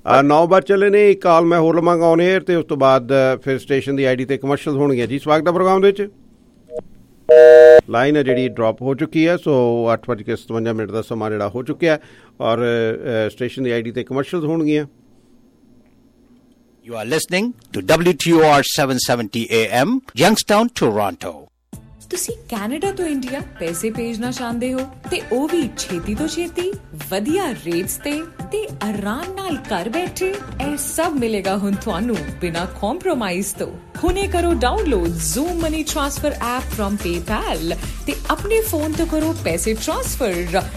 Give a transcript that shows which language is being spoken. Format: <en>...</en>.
<pa>9 ਵੱਜ ਚੱਲੇ ਨੇ, ਕਾਲ ਮੈਂ ਹੋਰ ਲਵਾਂਗਾ ਔਨ ਏਅਰ ਤੇ ਉਸ ਤੋਂ ਬਾਅਦ ਫਿਰ ਸਟੇਸ਼ਨ ਦੀ ਆਈ ਡੀ ਤੇ ਕਮਰਸ਼ਲ ਹੋਣਗੀਆਂ ਜੀ। ਸਵਾਗਤ ਹੈ ਪ੍ਰੋਗਰਾਮ ਦੇ ਵਿੱਚ। ਲਾਈਨ ਹੈ ਜਿਹੜੀ ਡਰੋਪ ਹੋ ਚੁੱਕੀ ਹੈ। ਸੋ 8:57 ਦਾ ਸਮਾਂ ਜਿਹੜਾ ਹੋ ਚੁੱਕਿਆ ਔਰ ਸਟੇਸ਼ਨ ਦੀ ਆਈ ਡੀ ਤੇ ਕਮਰਸ਼ਲ ਹੋਣਗੀਆਂ।</pa> <en>You are listening to WTOR 770 AM, Youngstown, Toronto.</en> <pa>ਤੁਸੀਂ ਕੈਨੇਡਾ ਤੋਂ ਇੰਡੀਆ ਪੈਸੇ ਭੇਜਣਾ ਚਾਹੁੰਦੇ ਹੋ ਤੇ ਉਹ ਵੀ ਛੇਤੀ ਤੋਂ ਛੇਤੀ ਵਧੀਆ ਰੇਟਸ ਤੇ ਆਰਾਮ ਨਾਲ ਘਰ ਬੈਠੇ? ਇਹ ਸਭ ਮਿਲੇਗਾ ਹੁਣ ਤੁਹਾਨੂੰ ਬਿਨਾਂ ਕੰਪਰੋਮਾਈਜ਼ ਤੋਂ। ਹੁਣੇ ਕਰੋ download zoom money transfer app from PayPal ਤੇ ਆਪਣੇ ਫੋਨ ਤੋਂ ਕਰੋ ਪੈਸੇ ਟ੍ਰਾਂਸਫਰ।</pa>